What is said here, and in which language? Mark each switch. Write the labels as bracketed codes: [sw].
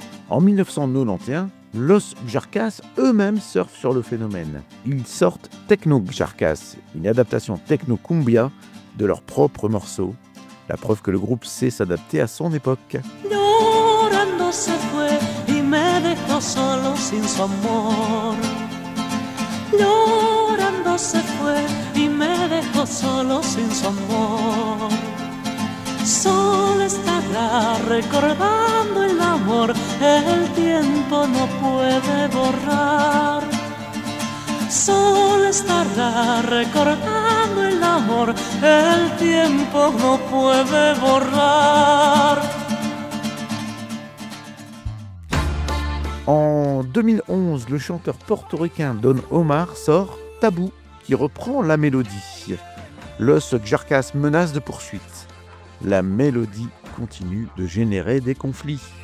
[fr] En 1991, Los Jarcas eux-mêmes surfent sur le phénomène. Ils sortent Techno Jarcas, une adaptation techno cumbia de leur propre morceau. La preuve que le groupe sait s'adapter à son époque. [es] Llorando se fue y me dejó solo sin su amor. Llorando se fue y me dejó solo sin su amor. Solo estará recordando el amor, el tiempo no puede borrar. Solo estará recordando el amor, el tiempo no puede borrar. [fr] En 2011, le chanteur portoricain Don Omar sort Tabou, qui reprend la mélodie. Los Jarcas menace de poursuite. La mélodie continue de générer des conflits.